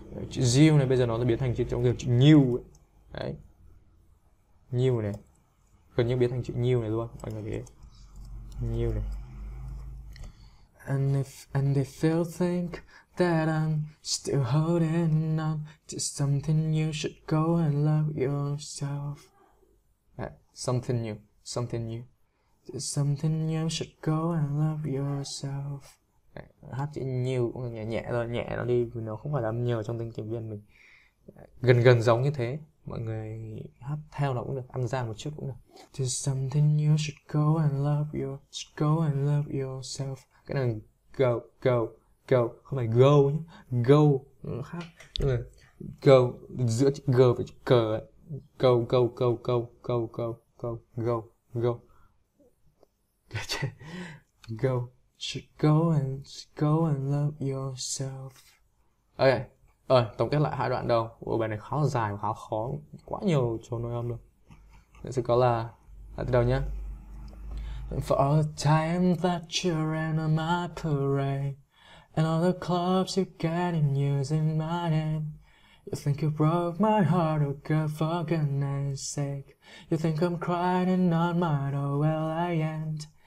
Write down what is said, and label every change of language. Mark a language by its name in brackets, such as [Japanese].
[Vietnamese] Chữ you này bây giờ nó sẽ biến thành chữ trong kiểu chữ new ấy. Đấy. New này. Gần như biến thành chữ new này luôn. Mọi người để ý. New này. [English] And if you think that I'm still holding on to something, you should go and love yourself. Something new, something new. Something you should go and love yourself. [Vietnamese] Hát chữ nhiều cũng nhẹ nhẹ rồi, nhẹ nó đi, nó không phải là âm nhiều trong tiếng tiếng Việt mình. Gần gần giống như thế, mọi người hát theo nó cũng được, âm ra một chút cũng được. [English] There's something you should go and love your, should go and love yourself. [Vietnamese] Cái này go, go, go, không phải go nhé, go khác. Nhưng mà go, giữa chữ g và chữ c ấy. [English] Go, go, go, go, go, go, go, go, go. Go, should go and should go and love yourself. [Vietnamese] Ok, tổng kết lại hai đoạn đầu. Ủa, bài này khá là dài và khá khó, quá nhiều chỗ nối âm luôn. Vậy sẽ có là từ đầu nhá. [English] For all the time that you ran on my parade, and all the clubs you got in using my name, you think you broke my heart, oh girl, for goodness sake. You think I'm crying and not mad, oh well, I ain't.